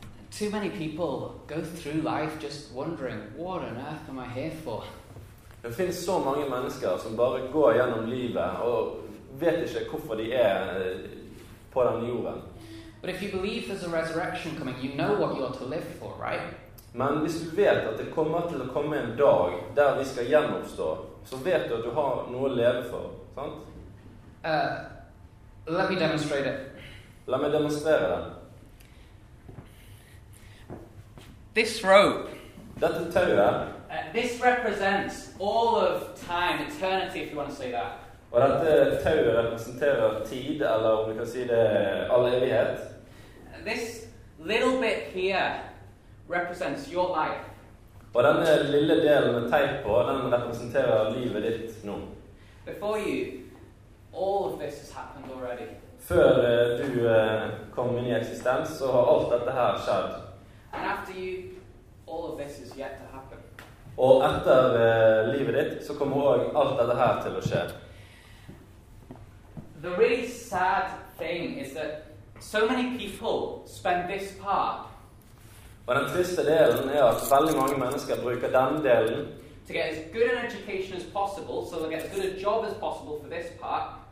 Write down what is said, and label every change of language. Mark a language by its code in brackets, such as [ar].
[en] Too many people go through life just wondering, what on earth am I here for? [no] Det finnes så mange mennesker som bare går gjennom livet og vet ikke hvorfor de på denne jorden. [en] But if you believe there's a resurrection coming, you know what you're to live for, right? [no] Men hvis du vet at det kommer til å komme en dag der vi skal gjenoppstå, så vet du at du har noe å leve for, sant? [en] Let me demonstrate it. [no] La meg demonstrere det. [en] This rope. [no] Dette tauet. [en] This represents all of time, eternity, if you want to say that. [no] Og dette tauet representerer tid, eller om du kan si det, all evighet. [en] This little bit here represents your life. [no] Og denne lille delen med teip på, den representerer livet ditt nå. [en] Before you, all of this has happened already. [no] Før du kom inn i eksistens, så har alt dette her skjedd. [en] And after you, all of this is yet to happen. [no] Og etter livet ditt, så kommer også alt dette her til å skje. [en] The really sad thing is that so many people spend this part. [no] Og den triste delen at veldig mange mennesker bruker den delen [en] to get as good an education as possible, so they'll get as good a job as possible for this part.